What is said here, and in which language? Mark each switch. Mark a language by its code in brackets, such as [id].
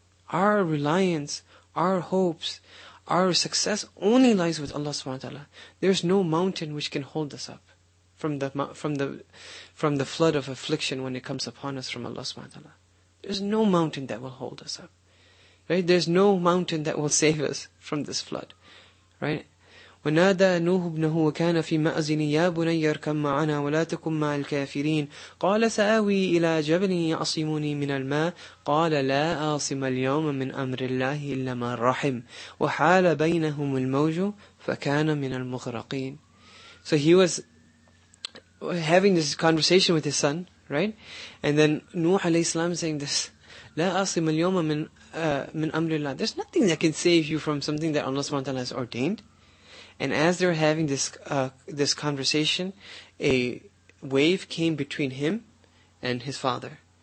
[en] Our reliance, our hopes, our success only lies with Allah subhanahu wa ta'ala. There's no mountain which can hold us up from the flood of affliction when it comes upon us from Allah subhanahu wa ta'ala. There's no mountain that will hold us up. Right? There's no mountain that will save us from this flood. Right? [ar] ونادى نوح ابنه وكان في مأزن يا بني اركب معنا ولا تكن مع الكافرين قال سآوي إلى جبل يعصمني من الماء قال لا أعصم اليوم من أمر الله إلا من رحم وحال بينهم الموج فكان من المغرقين. [en] So he was having this conversation with his son, right? And then Nuh alayhi salam saying this, لا أعصم اليوم من أمر الله. There's nothing that can save you from something that Allah subhanahu wa ta'ala has ordained. And as they were having this conversation, a wave came between him and his father.